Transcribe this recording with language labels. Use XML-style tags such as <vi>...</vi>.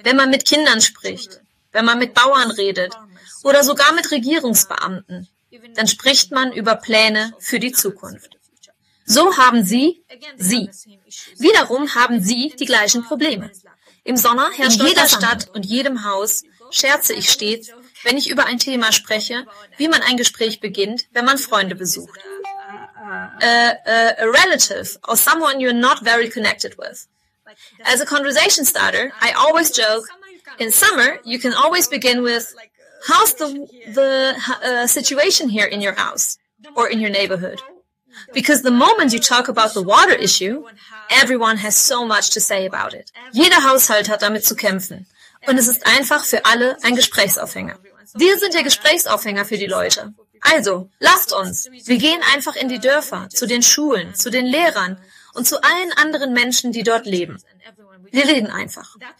<de>Wenn man mit Kindern spricht, wenn man mit Bauern redet oder sogar mit Regierungsbeamten, dann spricht man über Pläne für die Zukunft. So haben sie. Wiederum haben sie die gleichen Probleme. Im Sommer herrscht in jeder Stadt und jedem Haus, scherze ich stets, wenn ich über ein Thema spreche, wie man ein Gespräch beginnt, wenn man Freunde besucht.</de> <en>A relative or someone you're not very connected with. As a conversation starter, I always joke, in summer you can always begin with, how's the situation here in your house or in your neighborhood? Because the moment you talk about the water issue, everyone has so much to say about it.</en> <de>Jeder Haushalt hat damit zu kämpfen. Und es ist einfach für alle ein Gesprächsaufhänger. Wir sind der Gesprächsaufhänger für die Leute. Also, lasst uns. Wir gehen einfach in die Dörfer, zu den Schulen, zu den Lehrern und zu allen anderen Menschen, die dort leben. Wir reden einfach.</de>